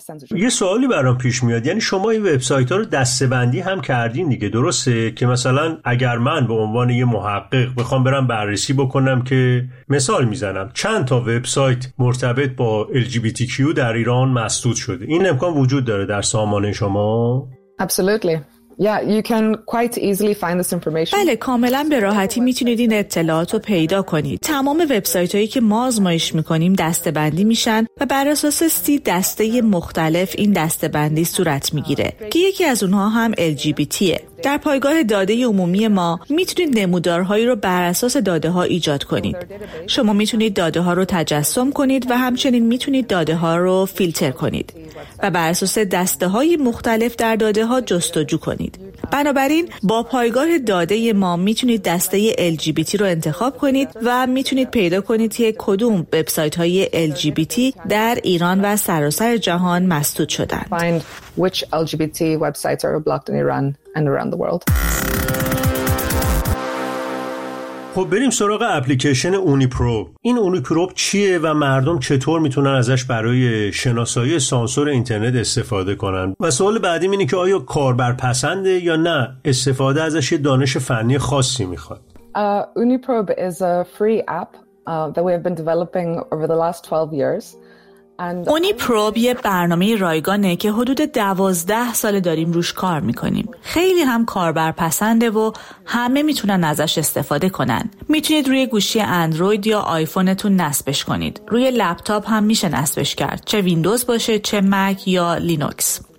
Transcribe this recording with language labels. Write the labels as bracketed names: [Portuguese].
[Persian] یه سوالی برام پیش میاد، یعنی شما این وبسایت‌ها رو دسته‌بندی هم کردین دیگه، درسته؟ که مثلا اگر من به عنوان یه محقق بخوام برم بررسی بکنم، که مثال میزنم، چند تا وبسایت مرتبط با LGBTQ در ایران مسدود شده، این امکان وجود داره در سامانه شما؟ [English] Absolutely. Yeah, you can quite easily find this information. [Persian] بله، کاملا به راحتی میتونید این اطلاعات رو پیدا کنید. تمام وبسایت‌هایی که ما آزمایش می‌کنیم دسته‌بندی میشن و بر اساس 30 دسته مختلف این دسته‌بندی صورت می‌گیره. که یکی از اونها هم LGBTه. در پایگاه داده عمومی ما میتونید نمودارهایی رو بر اساس داده‌ها ایجاد کنید. شما میتونید داده‌ها رو تجسم کنید و همچنین میتونید داده‌ها رو فیلتر کنید و بر اساس دسته‌های مختلف در داده‌ها جستجو کنید. بنابراین با پایگاه داده ما میتونید دسته LGBT رو انتخاب کنید و میتونید پیدا کنید که کدوم وبسایت‌های LGBT در ایران و سراسر جهان مسدود شدند. [English] Which LGBT websites are blocked in Iran and around the world. [Persian] خب بریم سراغ اپلیکیشن اونیپروب. این اونیپروب چیه و مردم چطور میتونن ازش برای شناسایی سانسور اینترنت استفاده کنن؟ و سوال بعدیم اینه که آیا کاربرپسنده یا نه، استفاده ازش یه دانش فنی خاصی میخواد؟ [English] اونیپروب is a free app that we have been developing over the last 12 years. [Persian] اونی پروب یه برنامه رایگانه که حدود 12 سال داریم روش کار میکنیم. خیلی هم کاربرپسنده و همه میتونن ازش استفاده کنن. میتونید روی گوشی اندروید یا آیفونتون نصبش کنید. روی لپتاپ هم میشه نصبش کرد، چه ویندوز باشه، چه مک یا لینوکس.